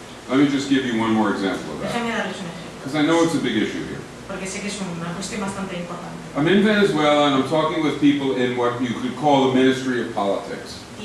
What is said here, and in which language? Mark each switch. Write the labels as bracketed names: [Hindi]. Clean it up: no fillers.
[English] Let me just give you one more example of that. Because I know it's a big issue here. [Spanish] Porque sé que es una cuestión bastante importante. [English] I'm in Venezuela and I'm talking with people in what you could call the Ministry of Politics.